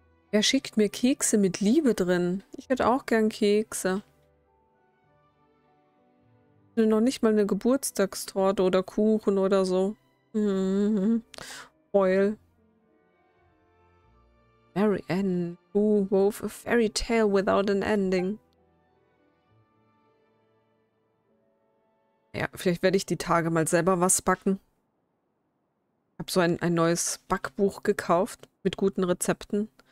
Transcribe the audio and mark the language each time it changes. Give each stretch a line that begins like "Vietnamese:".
German: Er schickt mir Kekse mit Liebe drin. Ich hätte auch gern Kekse. Noch nicht mal eine Geburtstagstorte oder Kuchen oder so. Heul. Mm-hmm.
English: Fairy Ann. Who wove a fairy tale without an ending?
German: Ja, vielleicht werde ich die Tage mal selber was backen. Ich habe so ein neues Backbuch gekauft mit guten Rezepten.